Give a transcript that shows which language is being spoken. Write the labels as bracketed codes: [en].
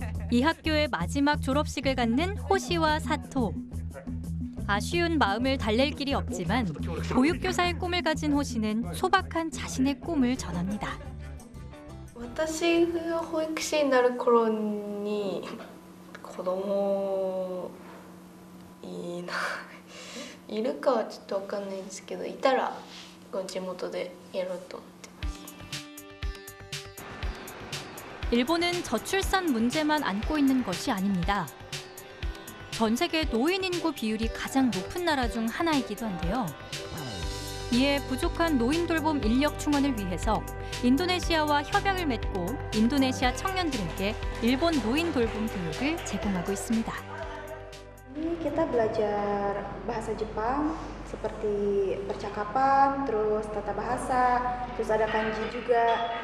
[ko] 이 학교의 마지막 졸업식을 갖는 호시와 사토. 아쉬운 마음을 달랠 길이 없지만 보육교사의 꿈을 가진 호시는 소박한 자신의 꿈을 전합니다. [ja] 私が保育士になる頃に子供いいな、いるかはちょっと分かんないんですけど、いたら地元でやろうと思ってます。 [ko] 일본은저출산문제만안고있는것이아닙니다전세계노인인구비율이가장높은나라중하나이기도한데요이에부족한노인돌봄인력충원을위해서인도네시아와협약을맺고인도네시아청년들에게일본노인돌봄교육을제공하고있습니다. [id] Kita belajar bahasa Jepang seperti percakapan, terus tata bahasa, terus ada kanji juga.